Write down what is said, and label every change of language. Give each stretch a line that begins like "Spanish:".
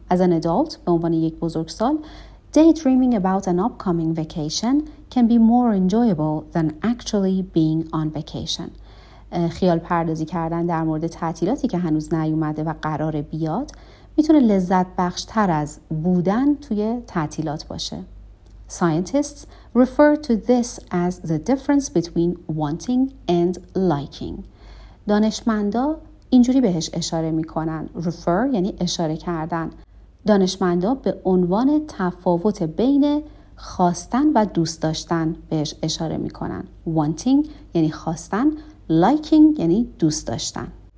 English: As an adult،
Persian: به عنوان یک بزرگسال،
English: daydreaming about an upcoming vacation can be more enjoyable than actually being on vacation.
Persian: خیال پردازی کردن در مورد تعطیلاتی که هنوز نیومده و قرار بیاد میتونه لذت بخش تر از بودن توی تعطیلات باشه.
English: Scientists refer to this as the difference between wanting and liking.
Persian: دانشمندا اینجوری بهش اشاره میکنن. Refer یعنی اشاره کردن. دانشمندا به عنوان تفاوت بین خواستن و دوست داشتن بهش اشاره میکنن. Wanting یعنی خواستن، liking یعنی دوست داشتن.